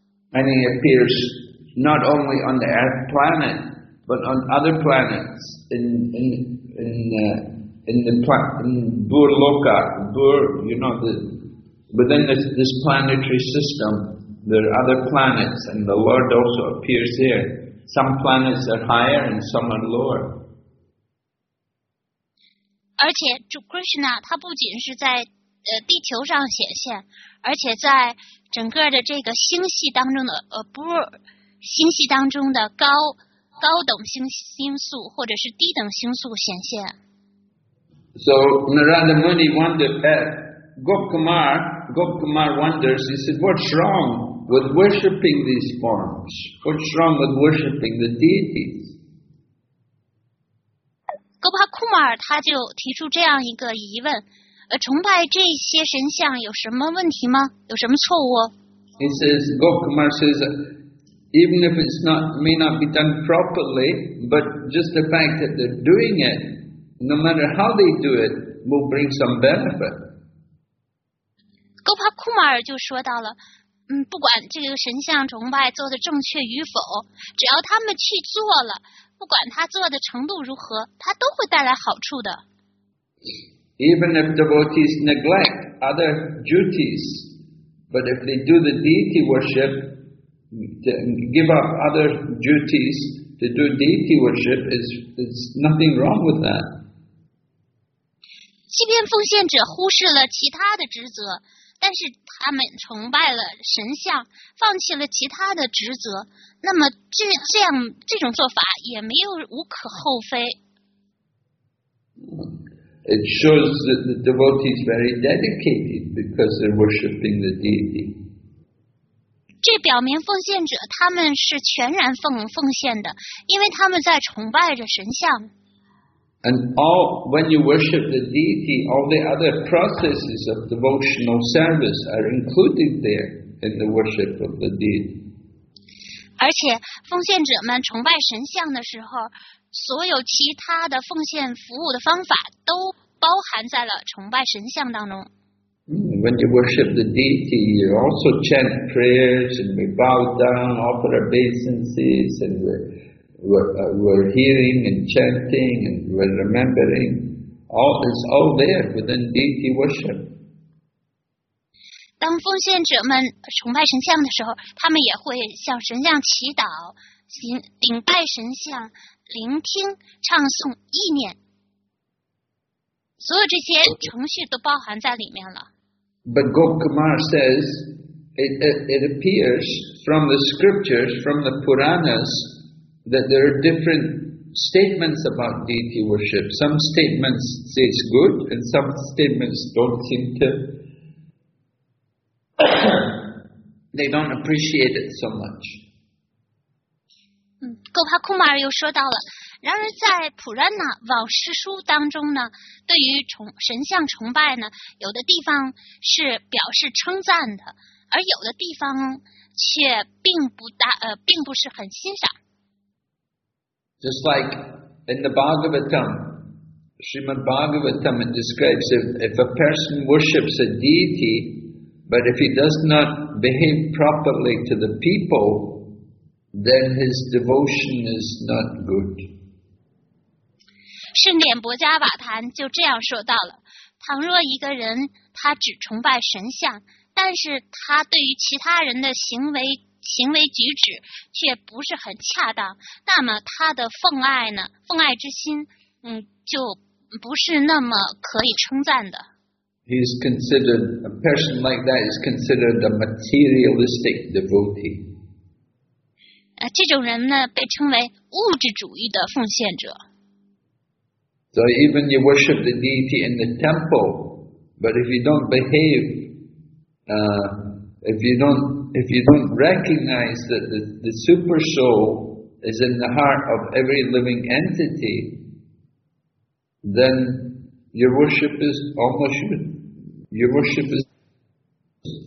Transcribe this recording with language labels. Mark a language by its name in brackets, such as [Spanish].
[English] And he appears not only on the Earth planet, but on other planets in Bhur Loka, Bhur, you know, within this planetary system, there are other planets, and the Lord also appears there. Some planets are higher, and some are lower. [Chinese] 而且主 Krishna 他不仅是在地球上显现，而且在整个的这个星系当中的星系当中的高等星宿或者是低等星宿显现。 [English] So Narada Muni wondered, Gopkumar wonders, he said, what's wrong with worshipping these forms? What's wrong with worshipping the deities? [Chinese] Gopkumar 他就提出这样一个疑问，崇拜这些神像有什么问题吗？有什么错误？ [English] He says, Gopkumar says, even if it's not may not be done properly, but just the fact that they're doing it, no matter how they do it, will bring some benefit. [Chinese] 戈帕库马尔就说到了，嗯，不管这个神像崇拜做的正确与否，只要他们去做了，不管他做的程度如何，他都会带来好处的。 [English] Even if devotees neglect other duties, but if they do the deity worship, give up other duties to do deity worship, it's nothing wrong with that. [Chinese] 欺骗奉献者忽视了其他的职责，但是他们崇拜了神像，放弃了其他的职责，那么这种做法也没有无可厚非。 [English] It shows that the devotee is very dedicated because they're worshipping the deity. [Chinese] 这表明奉献者他们是全然奉献的，因为他们在崇拜着神像。 [English] And all, when you worship the deity, all the other processes of devotional service are included there in the worship of the deity. [Chinese] 而且奉献者们崇拜神像的时候，所有其他的奉献服务的方法都包含在了崇拜神像当中。 [English] When you worship the deity, you also chant prayers and we bow down, offer obeisances and we're hearing and chanting and we're remembering. It's all there within deity worship. [Chinese] 当奉献者们崇拜神像的时候，他们也会向神像祈祷，顶拜神像，聆听唱诵意念，所有这些程序都包含在里面了。 [English] But Gokumar says it appears from the scriptures, from the Puranas, that there are different statements about deity worship. Some statements say it's good, and some statements don't seem to they don't appreciate it so much. [Chinese] 戈帕库马尔又说到了，然而在普兰纳往事书当中呢，对于神像崇拜呢，有的地方是表示称赞的，而有的地方却并不是很欣赏。 [English] Just like in the Bhagavatam, Srimad Bhagavatam it describes if a person worships a deity, but if he does not behave properly to the people,then his devotion is not good. [Chinese] 圣典薄伽瓦坛就这样说到了，倘若一个人他只崇拜神像，但是他对于其他人的行为举止却不是很恰当，那么他的奉爱之心就不是那么可以称赞的。 [English] He's considered, a person like that is considered a materialistic devotee. [Chinese] 这种人呢被称为物质主义的奉献者。 [English] So even you worship the deity in the temple, but if you don't behave, if you don't recognize that the super soul is in the heart of every living entity, then your worship is.